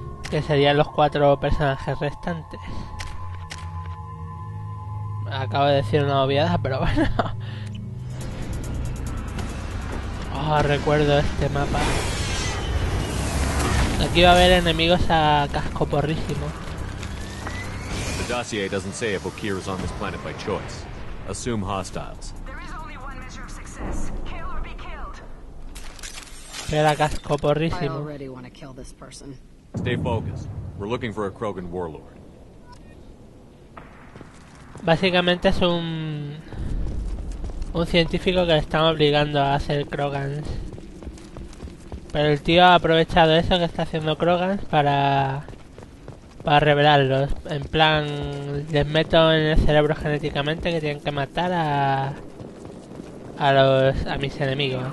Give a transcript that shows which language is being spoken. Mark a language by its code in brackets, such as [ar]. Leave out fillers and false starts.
[es] Que serían los cuatro personajes restantes. Acabo de decir una obviedad, pero bueno. Oh, recuerdo este mapa. Aquí va a haber enemigos a casco porrísimo. [en] The dossier doesn't say if O'Kear is on this planet by choice. Assume hostiles. There is only one measure of success. Kill or be killed. [es] Era casco porrísimo. [en] I already want to kill this person. Stay focused. We're looking for a Krogan warlord. [es] Básicamente es un científico que le están obligando a hacer Krogans. Pero el tío ha aprovechado eso que está haciendo Krogans para revelarlos. En plan, les meto en el cerebro genéticamente que tienen que matar a mis enemigos.